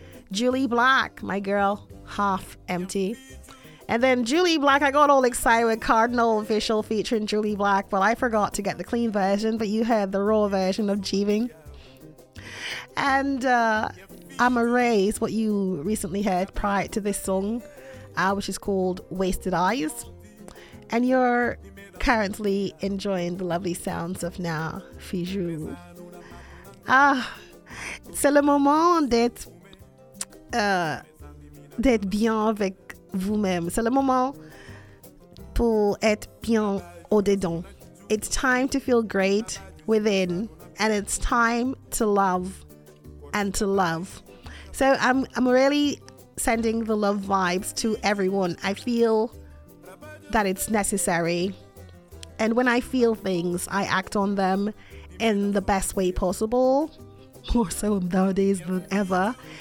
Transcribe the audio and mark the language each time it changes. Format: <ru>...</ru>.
<en>Julie Black, my girl, Half Empty. And then Julie Black, I got all excited with Cardinal Official featuring Julie Black, but I forgot to get the clean version, but you heard the raw version of Jeeving. And Amma Ray is what you recently heard prior to this song, which is called Wasted Eyes. And you're currently enjoying the lovely sounds of Na Fiju.</en> <fr>Ah, c'est le moment d'être bien avec vous-même. C'est le moment pour être bien au-dedans.</fr> <en>It's time to feel great within, and it's time to love and to love. So I'm really sending the love vibes to everyone. I feel that it's necessary, and when I feel things, I act on them in the best way possible, more so nowadays than ever.</en>